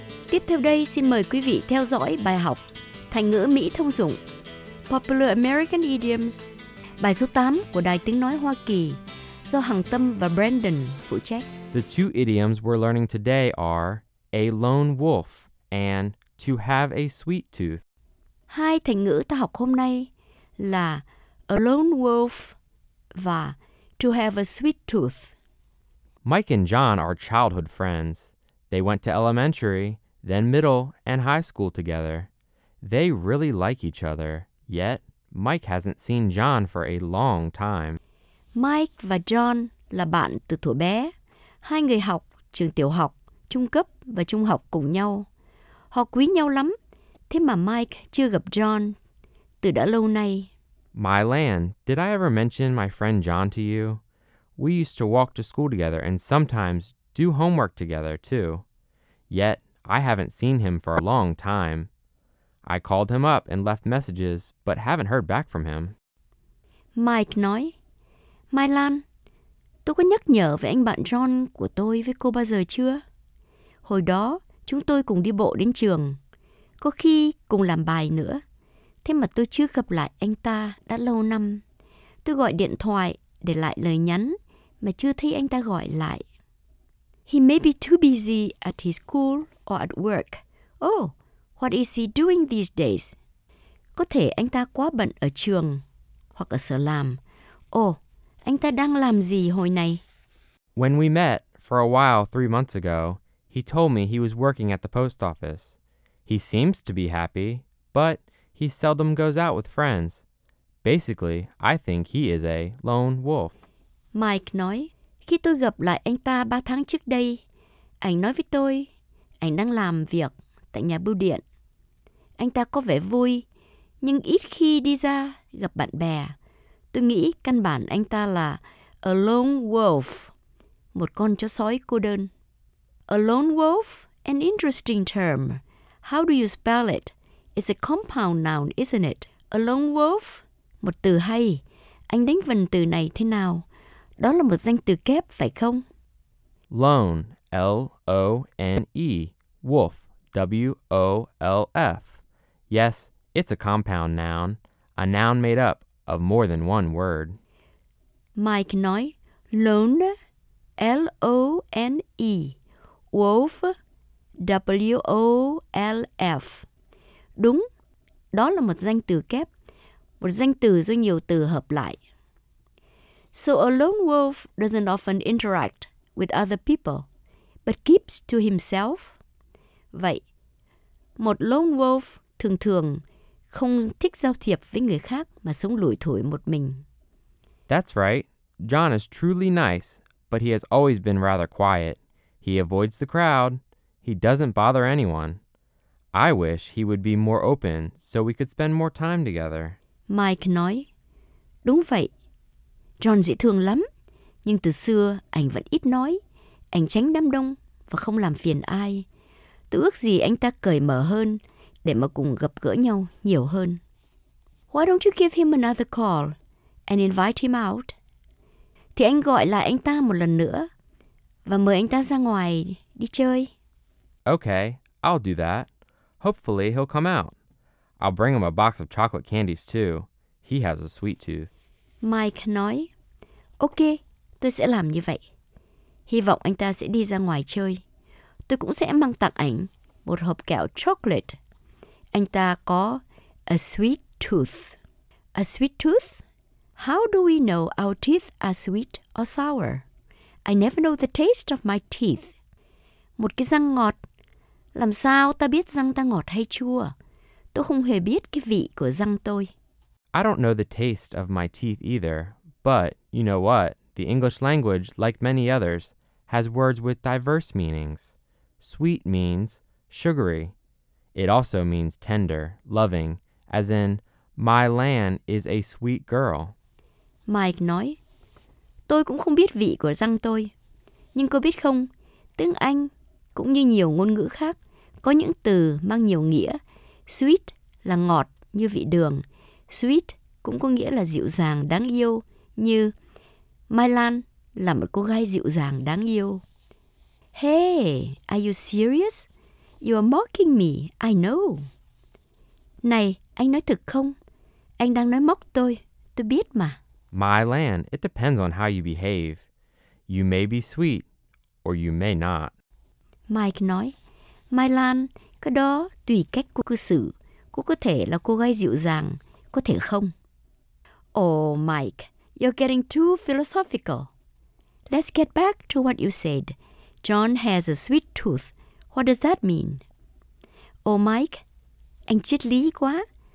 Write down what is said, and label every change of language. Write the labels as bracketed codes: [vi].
[vi] Tiếp theo đây xin mời quý vị theo dõi bài học thành ngữ Mỹ thông dụng [en] Popular American Idioms. [vi] Bài số 8 của Đài Tiếng Nói Hoa Kỳ do Hằng Tâm và Brandon phụ trách. [en] The two idioms we're learning today are a lone wolf and to have a sweet tooth. [vi] Hai thành ngữ ta học hôm nay là [en] a lone wolf [vi] và [en] to have a sweet tooth. Mike and John are childhood friends. They went to elementary, then middle and high school together. They really like each other, yet Mike hasn't seen John for a long time. [vi] Mike và John là bạn từ thuở bé. Hai người học trường tiểu học, trung cấp và trung học cùng nhau. Họ quý nhau lắm, thế mà Mike chưa gặp John từ đã lâu nay. [en] My Lan, did I ever mention my friend John to you? We used to walk to school together and sometimes do homework together too. Yet, I haven't seen him for a long time. I called him up and left messages, but haven't heard back from him. [vi] Mike nói, My Lan, tôi có nhắc nhở về anh bạn John của tôi với cô bao giờ chưa? Hồi đó, chúng tôi cùng đi bộ đến trường, có khi cùng làm bài nữa. Thế mà tôi chưa gặp lại anh ta đã lâu năm. Tôi gọi điện thoại để lại lời nhắn mà chưa thấy anh ta gọi lại. [en] He may be too busy at his school or at work. Oh, what is he doing these days? [vi] Có thể anh ta quá bận ở trường hoặc ở sở làm. Oh, anh ta đang làm gì hồi này? [en] When we met for a while 3 months ago, he told me he was working at the post office. He seems to be happy, but he seldom goes out with friends. Basically, I think he is a lone wolf. [vi] Mike nói, khi tôi gặp lại anh ta 3 tháng trước đây, anh nói với tôi, anh đang làm việc tại nhà bưu điện. Anh ta có vẻ vui, nhưng ít khi đi ra gặp bạn bè. Tôi nghĩ căn bản anh ta là [en] a lone wolf, [vi] một con chó sói cô đơn. [en] A lone wolf, an interesting term. How do you spell it? It's a compound noun, isn't it? A lone wolf? [vi] Một từ hay. Anh đánh vần từ này thế nào? Đó là một danh từ kép, phải không? [en] Lone, L-O-N-E, wolf, W-O-L-F. Yes, it's a compound noun, a noun made up of more than one word. [vi] Mike nói, [en] lone, L-O-N-E, wolf, W-O-L-F. [vi] Đúng, đó là một danh từ kép, một danh từ do nhiều từ hợp lại. [en] So a lone wolf doesn't often interact with other people, but keeps to himself. [vi] Vậy, một lone wolf thường thường không thích giao thiệp với người khác mà sống lủi thủi một mình. [en] That's right. John is truly nice, but he has always been rather quiet. He avoids the crowd. He doesn't bother anyone. I wish he would be more open so we could spend more time together. [vi] Mike nói, đúng vậy. John dễ thương lắm, nhưng từ xưa anh vẫn ít nói. Anh tránh đám đông và không làm phiền ai. Tôi ước gì anh ta cởi mở hơn để mà cùng gặp gỡ nhau nhiều hơn. [en] Why don't you give him another call and invite him out? [vi] Thì anh gọi lại anh ta một lần nữa và mời anh ta ra ngoài đi chơi. [en] Okay, I'll do that. Hopefully he'll come out. I'll bring him a box of chocolate candies too. He has a sweet tooth. [vi] Mike nói, okay, tôi sẽ làm như vậy. Hy vọng anh ta sẽ đi ra ngoài chơi. Tôi cũng sẽ mang tặng anh một hộp kẹo chocolate. Anh ta có [en] a sweet tooth. A sweet tooth? How do we know our teeth are sweet or sour? I never know the taste of my teeth. [vi] Một cái răng ngọt. Làm sao ta biết răng ta ngọt hay chua? Tôi không hề biết cái vị của răng tôi. [en] I don't know the taste of my teeth either. But you know what? The English language, like many others, has words with diverse meanings. Sweet means sugary. It also means tender, loving, as in, my Lan is a sweet girl. [vi] Mike nói, tôi cũng không biết vị của răng tôi. Nhưng cô biết không, tiếng Anh cũng như nhiều ngôn ngữ khác, có những từ mang nhiều nghĩa. Sweet là ngọt như vị đường. Sweet cũng có nghĩa là dịu dàng, đáng yêu như My Lan là một cô gái dịu dàng, đáng yêu. [en] Hey, are you serious? You are mocking me, I know. [vi] Này, anh nói thực không? Anh đang nói móc tôi biết mà. [en] My land, it depends on how you behave. You may be sweet, or you may not. [vi] Mike nói, My land, cái đó tùy cách cô cư xử. Cô có thể là cô gái dịu dàng, có thể không. [en] Oh, Mike, you're getting too philosophical. Let's get back to what you said. John has a sweet tooth. What does that mean? [vi] Oh, Mike, anh triết lý quá.